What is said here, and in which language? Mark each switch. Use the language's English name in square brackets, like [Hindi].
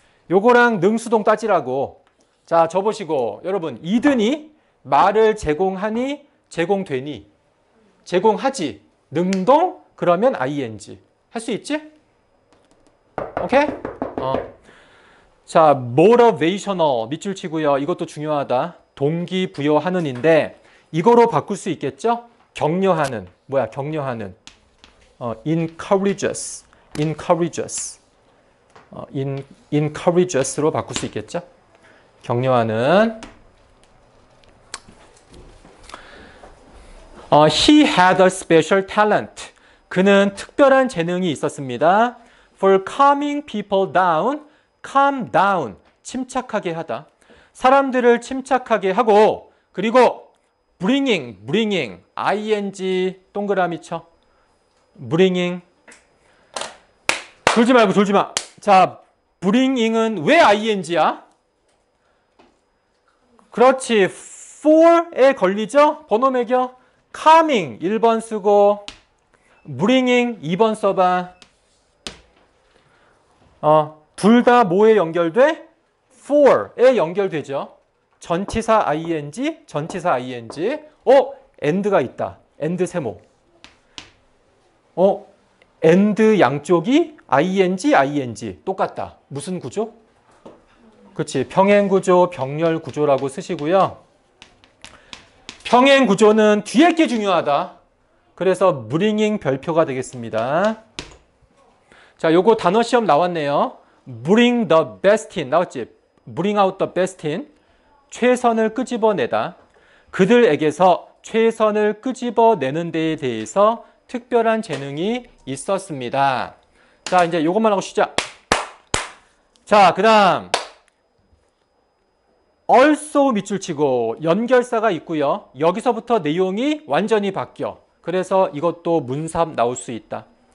[Korean] 요거랑 능수동 따지라고. 자, 저보시고 여러분 이드니 말을 제공하니 제공되니 제공하지 능동 그러면 ing 할 수 있지? [English] 오케이? [Korean] 자, motivational 밑줄 치고요. 이것도 중요하다. 동기 부여하는인데 이거로 바꿀 수 있겠죠? 격려하는 뭐야? 격려하는 [English] encourages, encourages. [Korean] encourages로 바꿀 수 있겠죠? 격려하는 [English] He had a special talent. [Korean] 그는 특별한 재능이 있었습니다. [English] For calming people down, calm down, [Korean] 침착하게 하다. 사람들을 침착하게 하고 그리고 bringing, bringing, ing 동그라미 쳐. bringing 졸지 말고 졸지 마. 자, bringing은 왜 ing야? 그렇지, for에 걸리죠? 번호 매겨. coming, 1번 쓰고, bringing, 2번 써봐. 둘 다 뭐에 연결돼? for에 연결되죠. 전치사 ing, 전치사 ing. 엔드가 있다. 엔드 세모. and 양쪽이 ing, ing. 똑같다. 무슨 구조? 그치. 평행구조, 병렬구조라고 쓰시고요. 평행구조는 뒤에 게 중요하다. 그래서 bringing 별표가 되겠습니다. 자, 요거 단어 시험 나왔네요. [English] bring the best in. [Korean] 나왔지? [English] bring out the best in. [Korean] 최선을 끄집어내다. 그들에게서 최선을 끄집어내는 데에 대해서 특별한 재능이 있었습니다. 자, 이제 이것만 하고 쉬자. 자, 그다음 얼쏘 밑줄 치고 연결사가 있고요. 여기서부터 내용이 완전히 바뀌어. 그래서 이것도 문삼 나올 수 있다.